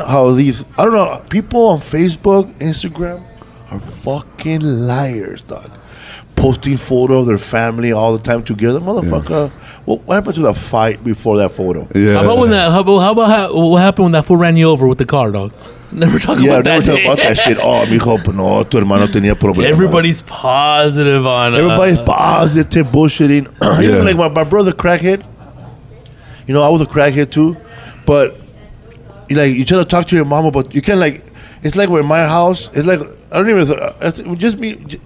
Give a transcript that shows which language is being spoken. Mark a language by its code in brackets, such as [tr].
[en] How these, I don't know, people on Facebook, Instagram, are fucking liars, dog. posting photo of their family all the time together, motherfucker. Yes. Well, what happened to the fight before that photo? Yeah. What happened when that fool ran you over with the car, dog? Never talk about that shit. [es] Oh, mijo, no, tu hermano tenía problemas. [en] Everybody's positive on it. Everybody's positive bullshitting. Yeah. Even like my brother, crackhead. You know, I was a crackhead too, but you like you try to talk to your mama, but you can't. Like, it's like we're in my house. It's like I don't even.